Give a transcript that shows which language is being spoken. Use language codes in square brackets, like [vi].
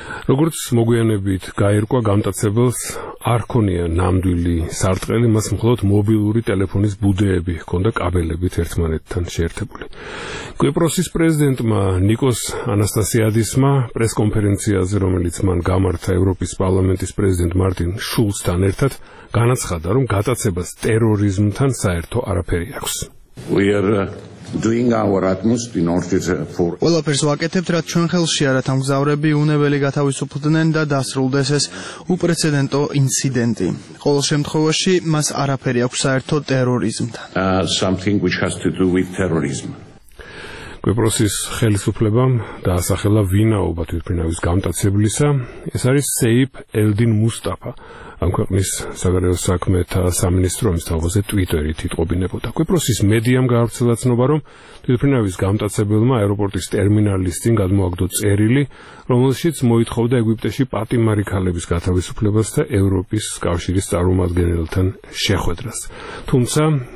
[ka] როგორც მოგვიანებით გაირკვა, გამტაცებელს არ ჰქონია ნამდვილი სარტყელი, მას მხოლოდ მობილური ტელეფონის ბუდეები ჰქონდა კაბელებით ერთმანეთთან შეერთებული. კვიპროსის პრეზიდენტმა ნიკოს ანასტასიადისმა პრესკონფერენციაზე, რომელიც მან გამართა ევროპის პარლამენტის პრეზიდენტ მარტინ შულცთან ერთად, განაცხადა, რომ გატაცებას ტერორიზმთან საერთო არაფერი აქვს. [en] Doing our utmost in order for [ka] ყველაფერს ვაკეთებთ, რათ ჩვენ ხელში არათ ამ გზავრები უნებელი გათავისუფლდნენ და დასრულდეს ეს უპრეცედენტო ინციდენტი. ყოველ შემთხვევაში მას არაფერი აქვს საერთო ტერორიზმთან. [en] Something which has to do with terrorism. [ka] კვიპროსის ხელისუფლებამ დაასახელა ვინაობა თვითმფრინავის გამტაცებლისა. ეს არის Saif Eldin Mustafa, ამ ქვეყნის საგარეო საქმეთა სამინისტრო, რომლის თავზე ტვიტერით იტყობინებოდა. კვიპროსის მედიამ გაავრცელა ცნობა, რომ თვითმფრინავის გამტაცებელმა აეროპორტის ტერმინალის წინ გადმოაგდო წერილი, რომელშიც მოითხოვდა ეგვიპტეში პატიმარი ქალების გათავისუფლებას და ევროპის კავშირის წარმომადგენელთან შეხვედრას. თუმცა